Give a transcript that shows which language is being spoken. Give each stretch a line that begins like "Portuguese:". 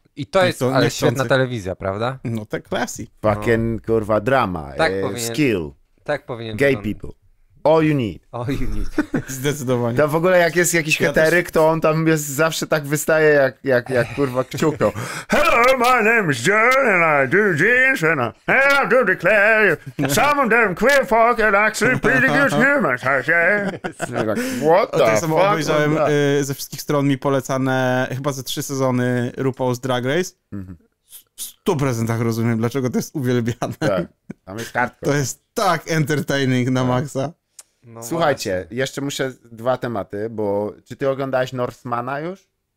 Polish: I to jest, ale świetna telewizja, prawda? No to classy. Fucking, kurwa, drama. Tak powinien. Skill. Tak powinien.
English: Gay people. All you need. All you need.
Polish: Zdecydowanie. To w ogóle jak jest jakiś heteryk, to on tam jest, zawsze tak wystaje jak kurwa kciuko.
English: Hello, my name is John and I do jeans and I do declare you. Some of them queer folk and actually pretty good humans, I say. What the fuck?
Polish: Obejrzałem ze wszystkich stron mi polecane chyba ze 3 sezony RuPaul's Drag Race. Mm-hmm. 100% rozumiem, dlaczego to jest uwielbiane. Tak, tam jest hardcore. To jest tak entertaining na maksa. No słuchajcie, właśnie. Jeszcze muszę 2 tematy, bo czy ty oglądałeś Northmana już?